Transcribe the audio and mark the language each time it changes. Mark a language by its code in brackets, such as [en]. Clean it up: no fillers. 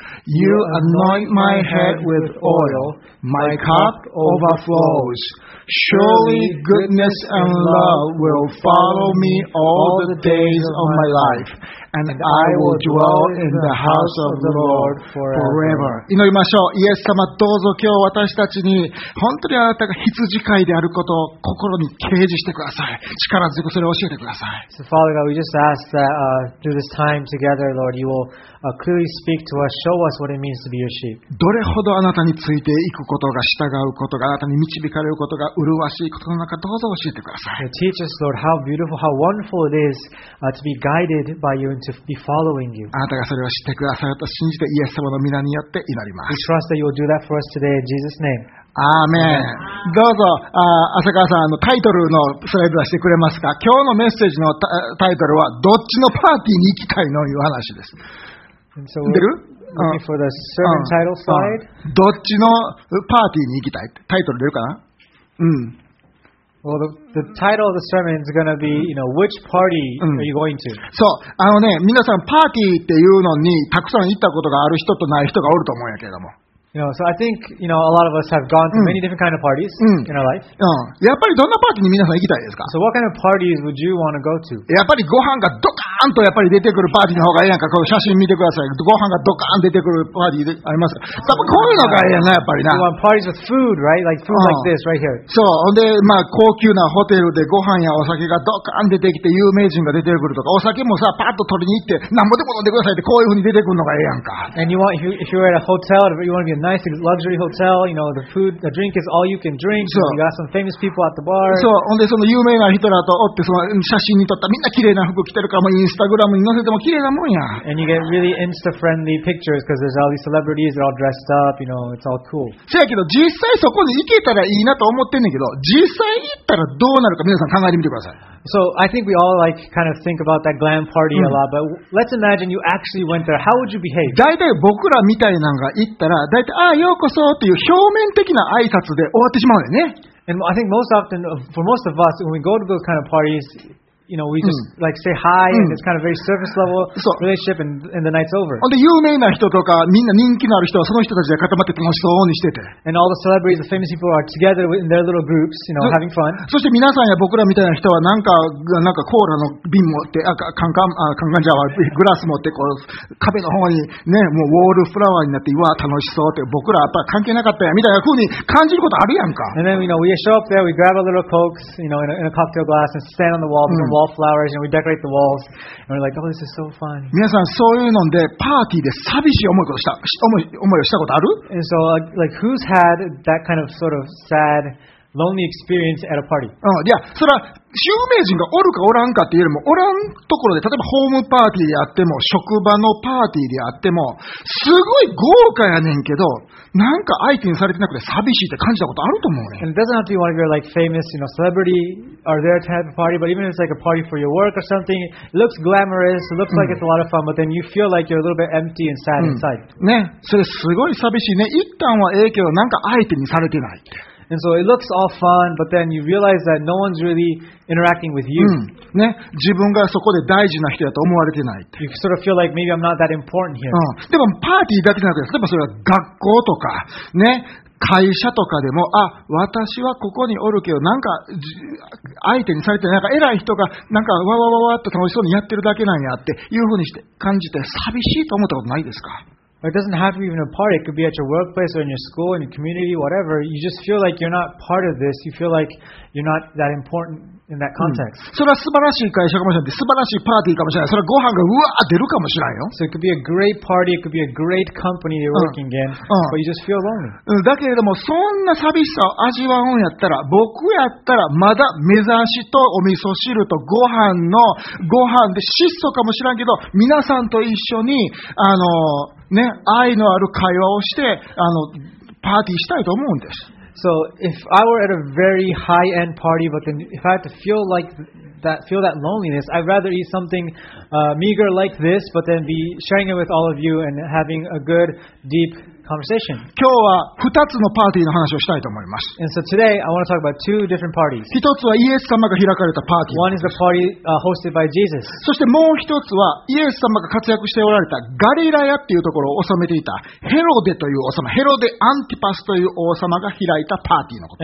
[en] You anoint my head with oil, my cup overflows. Surely goodness and love will follow me all the days of my life, and I will dwell in the house of the Lord forever. [ja] 祈りましょう。イエス様、どうぞ今日私たちに本当にあなたが羊飼いであることを心に掲示してください。力強くそれを教えてください。 [en] So Father God, we just ask that through this time together, Lord, you will clearly speak to us, show us what it means to be your sheep. [ja] どれほどあなたについていくことが、従うことが、あなたに導かれることが麗しいことの中、どうぞ教えてください。 [en] Teach us, Lord, how beautiful, how wonderful it is to be guided by you going to be following you. [ja] あなたがそれを知ってくださると信じてイエス様の御名によって祈ります。 [en] We trust that you will do that for us today in Jesus' name. Amen. [ja] どうぞ、浅川さん、タイトルのスライド出してくれますか。今日のメッセージのタイトルはどっちのパーティーに行きたいのいう話です。 [en] So、 [ja] 出る？ [en] Looking for the sermon title slide. [ja] どっちのパーティーに行きたい？タイトル出るかな？ [en] Well, the title of the sermon is going to be, you know, which party are you going to? [ja] そう、あのね、皆さんパーティーっていうのにたくさん行ったことがある人とない人がおると思うんやけども。 [en] You know, so I think, you know, a lot of us have gone to many different kind of parties in our life. [ja] やっぱりどんなパーティーに皆さん行きたいですか？ [en] So what kind of parties would you want to go to? [ja] やっぱりご飯がドカーンとやっぱり出てくるパーティーの方がいいやんか。この写真見てください。ご飯がドカーン出てくるパーティーありますか？やっぱこういうのがいいやんな、やっぱりな。 [en] You want parties with food, right? Like food like this, right here. [ja] そう。ほんで、まあ、高級なホテルでご飯やお酒がドカーン出てきて有名人が出てくるとか、お酒もさ、パッと取りに行って、なんぼでも飲んでくださいってこういう風に出てくるのがいいやんか。 [en] And you want, if you're at a hotel, you want to be a nice luxury hotel, you know, the food, the drink is all you can drink. So, you got some famous people at the bar. [ja] そう、ほんでその有名な人らとおってその写真に撮ったみんな綺麗な服着てるからもインスタグラムに載せても綺麗なもんや。 [en] And you get really Insta-friendly pictures because there's all these celebrities that are all dressed up, you know, it's all cool. [ja] せやけど実際そこに行けたらいいなと思ってんねんけど、実際行ったらどうなるか皆さん考えてみてください。 [en] So I think we all like kind of think about that glam party a lot, but let's imagine you actually went there. How would you behave? [ja] 大体僕らみたいなのが行ったら、大体ああようこそっていう表面的な挨拶で終わってしまうよね。 [en] And I think most often, for most of us, when we go to those kind of parties, you know, we just like say hi and it's kind of very surface level relationship, and the night's over. [ja] で有名な人とかみんな人気のある人はその人たちで固まって楽しそうにしてて。 [en] And all the celebrities, the famous people are together in their little groups, you know, having fun. [ja] そして皆さんや僕らみたいな人はなんかコーラの瓶持って、カンカンじゃあグラス持ってこう壁の方にね、もうウォールフラワーになってうわ楽しそうって僕らやっぱ関係なかったやみたいな風に感じることあるやんか。 [en] And then you know we show up there, we grab a little cokes, you know, in a cocktail glass and stand on the wall. Wallflowers, and we decorate the walls, and we're like, "Oh, this is so fun." [ja] 皆さんそういうのでパーティーで寂しい思いことした思いをしたことある [en] ？And so, like, who's had that kind of sort of sad, lonely experience at a party? [ja] Yeah, それは有名人がおるかおらんかっていうよりもおらんところで例えばホームパーティーであっても職場のパーティーであってもすごい豪華やねんけど。なんか相手にされてなくて寂しいって感じたことあると思うね。 [en] And it doesn't have to be one of your like famous, you know, celebrity are there to have a party, but even if it's like a party for your work or something, it looks glamorous, it looks like it's a lot of fun, but then you feel like you're a little bit empty and sad inside. [ja] ね、それすごい寂しいね。一旦はええけどなんか相手にされてない。 [en] And so it looks all fun, but then you realize that no one's really interacting with you. [ja] ね、自分がそこで大事な人だと思われてない。 [en] You sort of feel like maybe I'm not that important here. [ja] でもパーティーだけじゃなくて、例えばそれは学校とかね、会社とかでも、あ、私はここにおるけど、なんか相手にされてなんか偉い人がなんかわわわわって楽しそうにやってるだけなんやっていうふうにして感じて寂しいと思ったことないですか？ [en] It doesn't have to be even a party. It could be at your workplace or in your school, in your community, whatever. You just feel like you're not part of this. You feel like you're not that important in that context. [ja] それは素晴らしい会社かもしれない。素晴らしいパーティーかもしれない。それはご飯がうわー出るかもしれないよ。 [en] So it could be a great party. It could be a great company you're working in. But you just feel lonely. [ja] だけれども、そんな寂しさを味わうんやったら、僕やったらまだ目指しとお味噌汁とご飯で質素かもしれないけど、皆さんと一緒に、ね、愛のある会話をしてパーティーしたいと思うんです。 [en] So if I were at a very high-end party, but then if I had to feel like that, feel that loneliness, I'd rather eat something meager like this, but then be sharing it with all of you and having a good, deep conversation. [ja] 今日は2つのパーティーの話をしたいと思います。 [en] And so today I want to talk about two different parties. [ja] 一つはイエス様が開かれたパーティー。 [en] One is the party hosted by Jesus. [ja] そしてもう一つはイエス様が活躍しておられたガリラヤっていうところを治めていたヘロデという王様、ヘロデアンティパスという王様が開いたパーティーのこと。